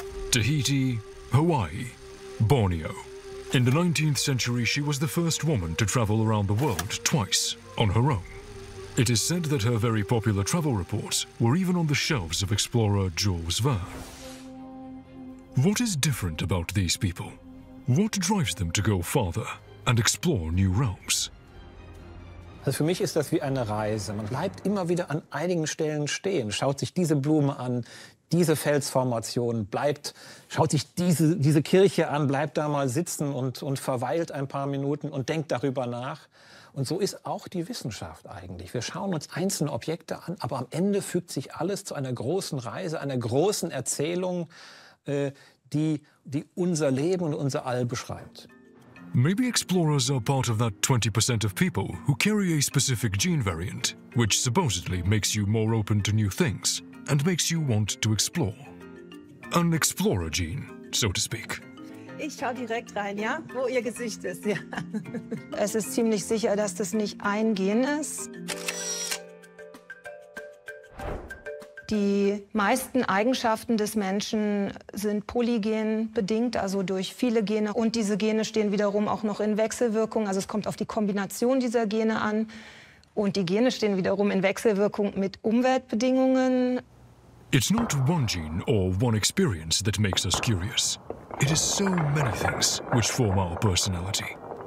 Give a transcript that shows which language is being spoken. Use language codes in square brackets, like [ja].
[en] Tahiti, Hawaii, Borneo. In the 19th century, she was the first woman to travel around the world twice on her own. It is said that her very popular travel reports were even on the shelves of explorer Jules Verne. What is different about these people? What drives them to go farther and explore new realms? [de] Also für mich ist das wie eine Reise. Man bleibt immer wieder an einigen Stellen stehen, schaut sich diese Blume an, diese Felsformation, schaut sich diese Kirche an, bleibt da mal sitzen und verweilt ein paar Minuten und denkt darüber nach. Und so ist auch die Wissenschaft eigentlich. Wir schauen uns einzelne Objekte an, aber am Ende fügt sich alles zu einer großen Reise, einer großen Erzählung, die unser Leben und unser All beschreibt. [en] Maybe explorers are part of that 20% of people who carry a specific gene variant, which supposedly makes you more open to new things and makes you want to explore. An explorer gene, so to speak. [de] Ich schau direkt rein, ja, wo ihr Gesicht ist, ja. Es ist ziemlich sicher, dass das nicht ein Gen ist. Die meisten Eigenschaften des Menschen sind polygen bedingt, also durch viele Gene. Und diese Gene stehen wiederum auch noch in Wechselwirkung. Also es kommt auf die Kombination dieser Gene an. Und die Gene stehen wiederum in Wechselwirkung mit Umweltbedingungen. [en] It's not one gene or one experience that makes us curious. It is so many things which form our personality.